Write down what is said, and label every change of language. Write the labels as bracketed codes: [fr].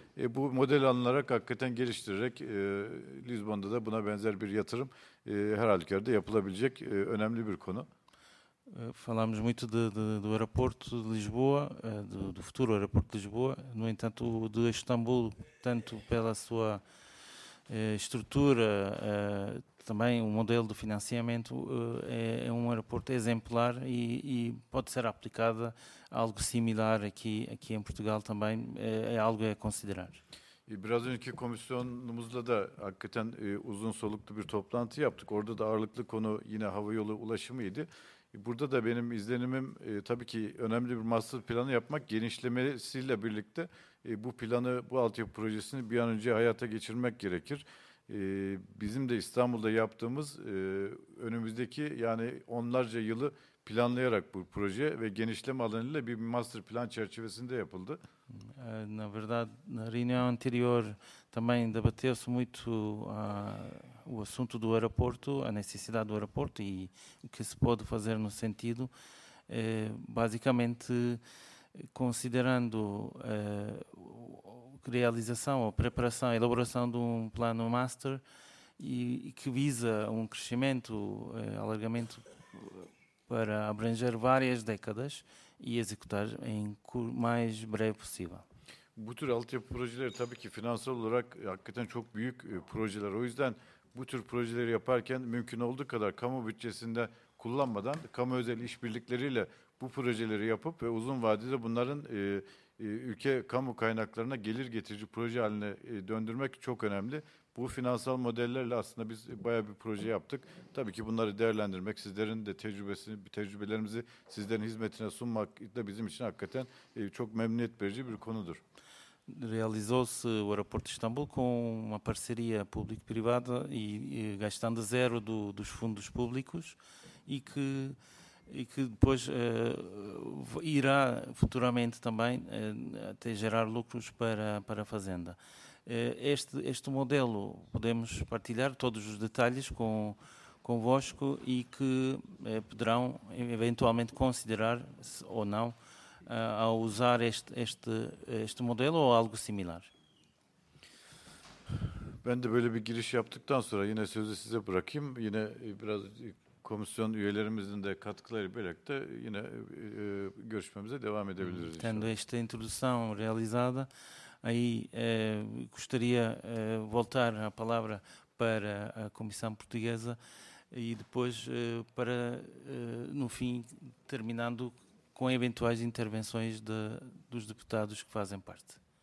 [tr] Bu model alınarak hakikaten geliştirerek Lisbon'da da buna benzer bir yatırım her halükarda yapılabilecek önemli bir konu. [pt] Falamos muito do aeroporto de Lisboa, do futuro aeroporto de Lisboa. No entanto, o de Istambul, tanto pela sua estrutura, também o modelo de financiamento, é um aeroporto exemplar e pode ser aplicado algo similar aqui em Portugal também. É algo a considerar. [tr] Biraz önceki komisyonumuzla da hakikaten uzun soluklu bir toplantı yaptık. Orada da ağırlıklı konu yine havayolu ulaşımıydı. Burada da benim izlenimim tabii ki önemli bir master planı yapmak genişlemesiyle birlikte bu planı, bu altyapı projesini bir an önce hayata geçirmek gerekir. Bizim de İstanbul'da yaptığımız önümüzdeki yani onlarca yılı planlayarak bu proje ve genişleme alanıyla bir master plan çerçevesinde yapıldı. [pt] Na verdade, na reunião anterior também debateu-se muito o assunto do aeroporto, a necessidade do aeroporto e o que se pode fazer no sentido. Basicamente, considerando a realização, a preparação, a elaboração de um plano master e que visa um crescimento, alargamento para abranger várias décadas e executar em mais breve possível. [tr] Bu tür altyapı projeleri tabii ki finansal olarak hakikaten çok büyük projeler. O yüzden bu tür projeleri yaparken mümkün olduğu kadar kamu bütçesinde kullanmadan kamu özel işbirlikleriyle bu projeleri yapıp ve uzun vadede bunların ülke kamu kaynaklarına gelir getirici proje haline döndürmek çok önemli. Bu finansal modellerle aslında biz bayağı bir proje yaptık. Tabii ki bunları değerlendirmek, sizlerin de tecrübelerimizi sizlerin hizmetine sunmak da bizim için hakikaten çok memnuniyet verici bir konudur. [pt] Realizou-se o aeroporto de Istambul com uma parceria público-privada e gastando zero dos fundos públicos e que depois irá futuramente também até gerar lucros para a fazenda. Este modelo podemos partilhar todos os detalhes convosco e que poderão eventualmente considerar ou não a usar este modelo ou algo similar. [tr] Ben de böyle bir giriş yaptıktan sonra yine sözü size bırakayım. Yine biraz komisyon üyelerimizin de katkıları birlikte yine görüşmemize devam edebiliriz. [pt] Tendo esta introdução realizada, aí gostaria voltar a palavra para a Comissão Portuguesa e depois para no fim terminando com eventuais intervenções dos deputados que fazem parte.